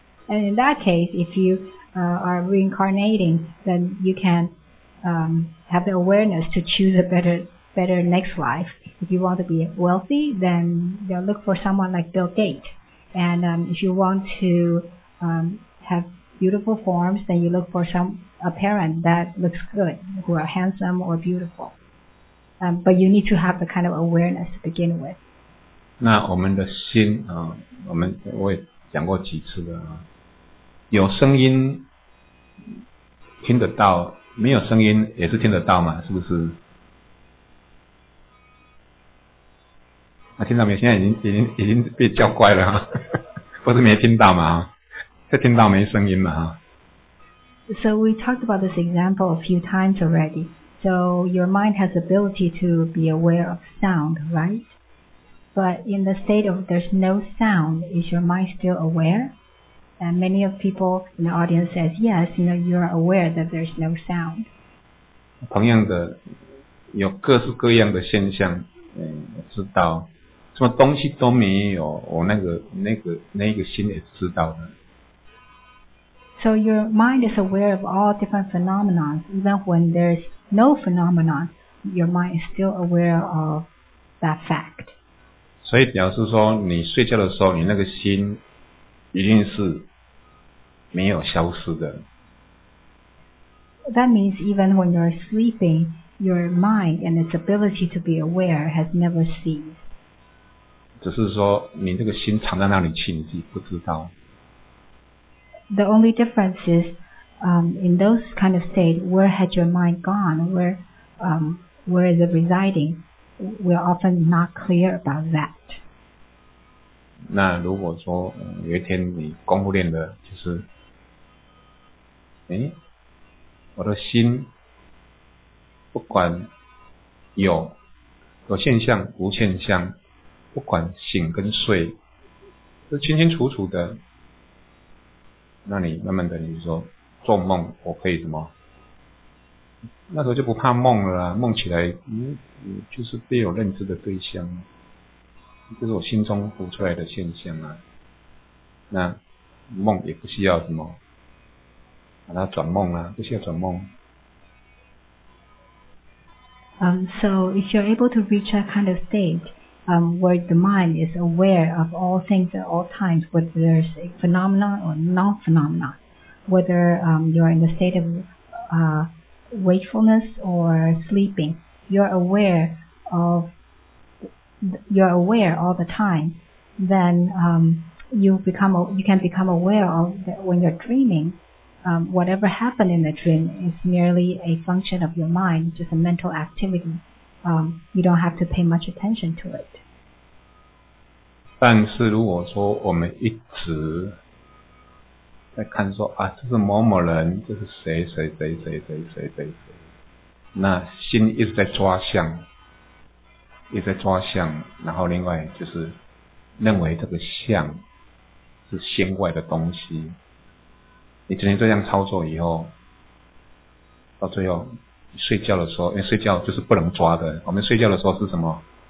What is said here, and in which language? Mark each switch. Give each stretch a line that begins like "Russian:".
English: And in that case, if you are reincarnating, then you can have the awareness to choose a better next life. If you want to be wealthy, then look for someone like Bill Gates. And if you want to have beautiful forms, then you look for a parent that looks good, who are handsome or beautiful. But you need to have the kind of awareness to begin with.
Chinese: 那我们的心啊，我们我也讲过几次的啊，有声音听得到，没有声音也是听得到嘛，是不是？啊，听到没有？现在已经被叫乖了哈，不是没听到嘛，是听到没声音嘛哈。
English: So we talked about this example a few times already. So your mind has the ability to be aware of sound, right? But in the state of there's no sound, is your mind still aware? And many of people in the audience says yes, you know, you're aware that there's no sound.
Chinese: 同样的，有各式各样的现象，知道。什么东西都没有，我那个心也知道的。
English: So your mind is aware of all different phenomena, even when there's no phenomenon, your mind is still aware of that fact.
Chinese: 所以表示说，你睡觉的时候，你那个心一定是没有消失的。
English: That means even when you're sleeping, your mind and its ability to be aware has never ceased.
Chinese: 只是说你这个心藏在那里去，你自己不知道。
English: The only difference is, in those kind of state, where had your mind gone? Where is it residing? We're often not clear about that.
Chinese: 那如果说有一天你功夫练的，就是，我的心不管有现象无现象。不管醒跟睡是清清楚楚的，那你慢慢的你说做梦我可以什么，那时候就不怕梦了，梦起来就是别有认知的对象，就是我心中浮出来的现象啊，那梦也不需要什么把它转梦啊，不需要转梦。
English: So if you're able to reach that kind of stageWhere the mind is aware of all things at all times, whether there's a phenomenon or non-phenomenon, whether you're in the state of wakefulness or sleeping, you're aware all the time, then you can become aware of that when you're dreaming, whatever happened in the dream is merely a function of your mind, just a mental activity. You don't have to pay much attention to it.
Chinese: 但是如果说我们一直在看说啊，这是某某人，这是谁谁谁谁谁谁谁谁，那心一直在抓相，一直在抓相，然后另外就是认为这个相是心外的东西，你整天这样操作以后，到最后睡觉的时候，因为睡觉就是不能抓的，我们睡觉的时候是什么？